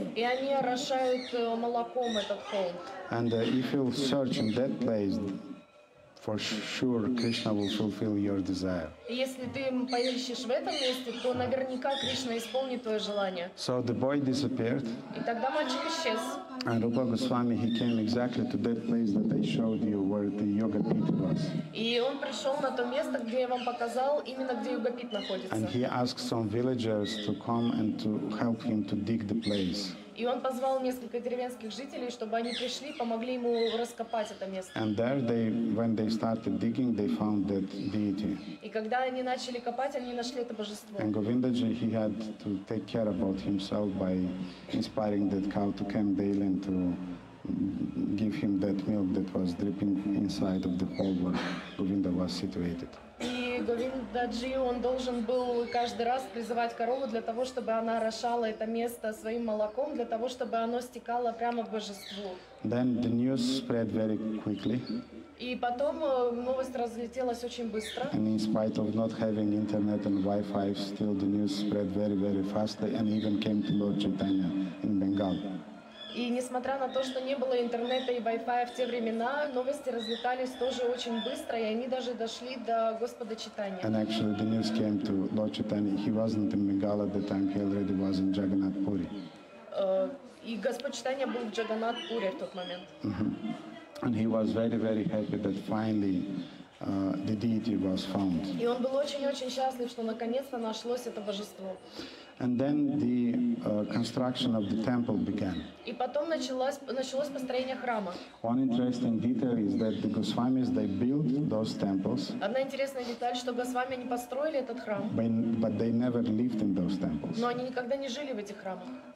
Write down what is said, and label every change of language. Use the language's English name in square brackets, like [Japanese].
[Russian] И они орошают молоком этот холм. [English] And if you search in that place, for sure Krishna will fulfill your desire. [Russian] Если ты поищешь в этом месте, то наверняка Кришна исполнит твое желание. [English] So the boy disappeared. [Russian] И тогда мальчик исчез. [English] And Rupa Goswami, he came exactly to that place that I showed you where the yoga pit was. [Russian] И он пришел на то место, где я вам показал, именно где йога пит находится. [English] And he asked some villagers to come and to help him to dig the place. [Russian] И он позвал несколько деревенских жителей, чтобы они пришли, помогли ему раскопать это место. [English] And there they, when they started digging, they found that deity. [Russian] И когда они начали копать, они нашли это божество. [English] And Govindaji, he had to take care about himself by inspiring that cow to come daily and to give him that milk that was dripping inside of the hole where Govinda was situated. [Russian] Говиндаджи, он должен был каждый раз призывать корову для того, чтобы она орошала это место своим молоком, для того, чтобы оно стекало прямо в божество. [English] Then the news spread very quickly. [Russian] И потом новость разлетелась очень быстро. [English] And in spite of not having internet and Wi-Fi, still the news spread very, very fast and even came to Lord Chaitanya in Bengal. [Russian] И несмотря на то, что не было интернета и Wi-Fi в те времена, новости разлетались тоже очень быстро, и они даже дошли до Господа Чайтаньи. [English] And actually the news came to Lord Chaitanya. He wasn't in Bengal at the time, he already was in Jagannath Puri. [Russian] И Господь Чайтанья был в Джаганнат Пури в тот момент. [English] And he was very, very happy that finally the deity was found. [Russian] И он был очень-очень счастлив, что наконец-то нашлось это божество. [English] And then the construction of the temple began. [Russian] И потом началось построение храма. [English] One interesting detail is that the Goswamis, they built those temples. [Russian] Одна интересная деталь, что Госвами не построили этот храм. [English] But they never lived in those temples. [Russian] Но они никогда не жили в этих храмах.